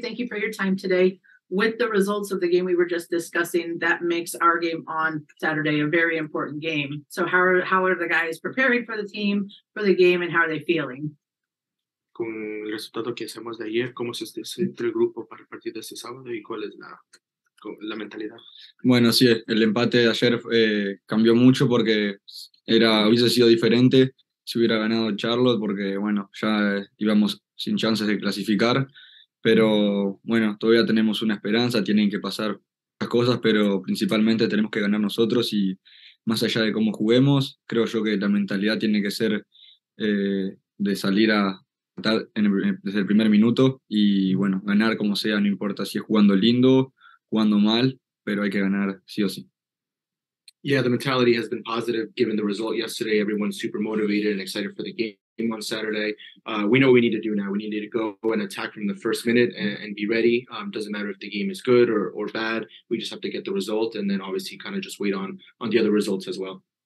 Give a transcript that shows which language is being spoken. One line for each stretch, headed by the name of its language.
English: Thank you for your time today. With the results of the game we were just discussing, that makes our game on Saturday a very important game. So how are the guys preparing for the team, for the game, and how are they feeling?
Spanish: Con el resultado que hacemos de ayer, ¿cómo se siente el grupo para el partido este sábado y cuál es la mentalidad? Bueno, sí, el empate de ayer cambió mucho porque hubiese sido diferente si hubiera ganado Charlotte, porque bueno, ya íbamos sin chances de clasificar, pero bueno, todavía tenemos una esperanza, tienen que pasar las cosas, pero principalmente tenemos que ganar nosotros y más allá de cómo juguemos, creo yo que la mentalidad tiene que ser de salir a desde el primer minuto y bueno, ganar como sea, no importa si es jugando lindo, jugando mal, pero hay que ganar sí o sí.
English: Yeah, the mentality has been positive given the result yesterday. Everyone's super motivated and excited for the game on Saturday. We know what we need to do now. We need to go and attack from the first minute and be ready. Doesn't matter if the game is good or bad. We just have to get the result and then obviously kind of just wait on the other results as well.